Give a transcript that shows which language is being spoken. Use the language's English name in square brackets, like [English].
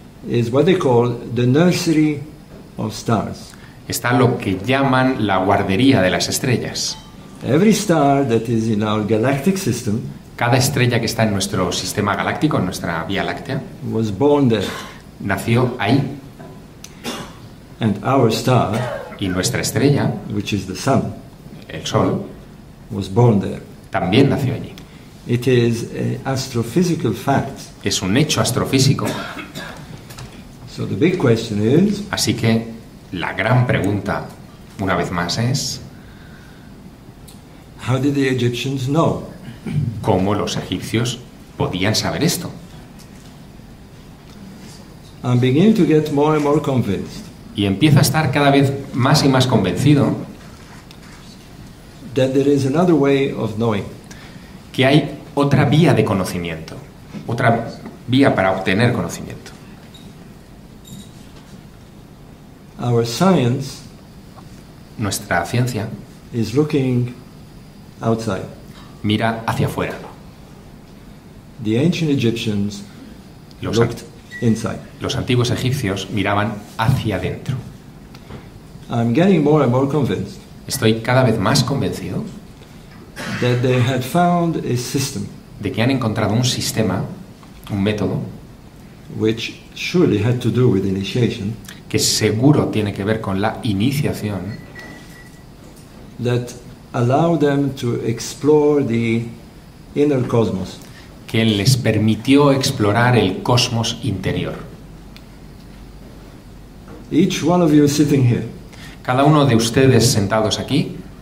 [English] is what they call the nursery of stars. [Spanish] Está lo que llaman la guardería de las estrellas. [English] Every star that is in our galactic system. [Spanish] Cada estrella que está en nuestro sistema galáctico, en nuestra Vía Láctea, [English] was born there. [Spanish] Nació ahí. [English] And our star, [Spanish] y nuestra estrella, [English] which is the sun, [Spanish] el Sol, [English] was born there. [Spanish] También nació allí. [English] It is an astrophysical fact. [Spanish] Es un hecho astrofísico. [English] So the big question is, [Spanish] así que la gran pregunta, una vez más, es [English] how did the Egyptians know? [Spanish] ¿Cómo los egipcios podían saber esto? [English] I'm beginning to get more and more convinced. [Spanish] Y empiezo a estar cada vez más y más convencido [English] that there is another way of knowing. [Spanish] Que hay otra vía de conocimiento, otra vía para obtener conocimiento. [English] Our science, [Spanish] nuestra ciencia, [English] is looking outside. [Spanish] Mira hacia afuera. [English] The ancient Egyptians looked inside. [Spanish] Los antiguos egipcios miraban hacia adentro. [English] I'm getting more and more convinced. [Spanish] Estoy cada vez más convencido [English] that they had found a system, [Spanish] de que han encontrado un sistema, un método, [English] which surely had to do with initiation, [Spanish] que seguro tiene que ver con la iniciación, [English] that allowed them to explore the inner cosmos, [Spanish] que les permitió explorar el cosmos interior. [English] Each one of you sitting here, [Spanish] cada uno de ustedes sentados aquí,